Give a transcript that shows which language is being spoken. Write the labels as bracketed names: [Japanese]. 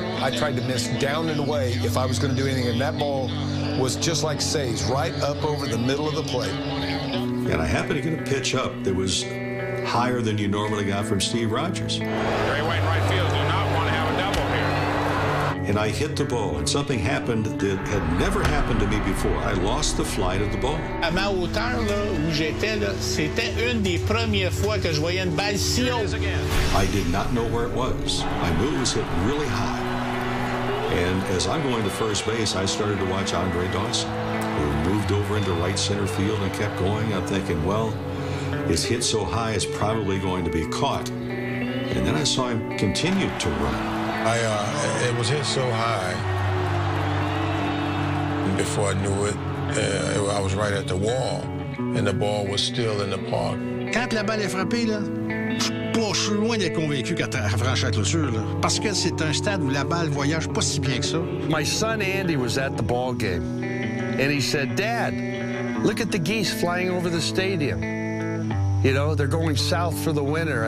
[English] I tried to miss down and away if I was going to do anything, and that ball was just like Say's, right up over the middle of the plate. And I happened to get a pitch up that was higher than you normally got from Steve Rogers. Gray White, right field. And I hit the ball, and something happened that had never happened to me before. I lost the flight of the ball. [French] À ma hauteur, là, où j'étais, là, c'était une des premières fois que je voyais une balle si haut. [English] I did not know where it was. I knew it was hit really high. And as I'm going to first base, I started to watch Andre Dawson, who moved over into right center field and kept going. I'm thinking, well, it's hit so high, it's probably going to be caught. And then I saw him continue to run. It was hit so high, before I knew it, I was right at the wall, and the ball was still in the park. [French] Quand la balle est frappée, là, je suis loin d'être convaincu qu'elle franchit la clôture, là, parce que c'est un stade où la balle voyage pas si bien que ça. [English] My son Andy was at the ball game, and he said, Dad, look at the geese flying over the stadium. You know, they're going south for the winter.